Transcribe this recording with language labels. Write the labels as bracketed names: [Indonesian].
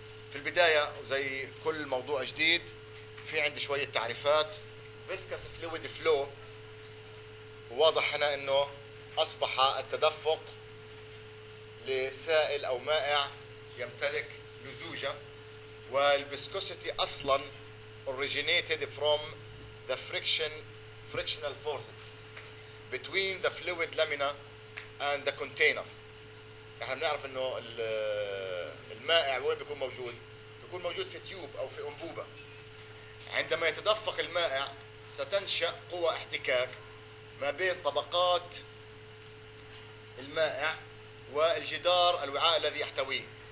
[Arabic] في البداية وزي كل موضوع جديد في عندي شوية تعريفات. Viscous Fluid Flow واضح هنا انه اصبح التدفق لسائل او مائع يمتلك لزوجة. والفيسكوسيتي اصلا [English] originated from the frictional forces between the fluid lamina and the container. [Arabic] احنا بنعرف انه المائع وين بيكون موجود؟ بيكون موجود في تيوب او في انبوبه. عندما يتدفق المائع ستنشا قوى احتكاك ما بين طبقات المائع والجدار الوعاء الذي يحتويه.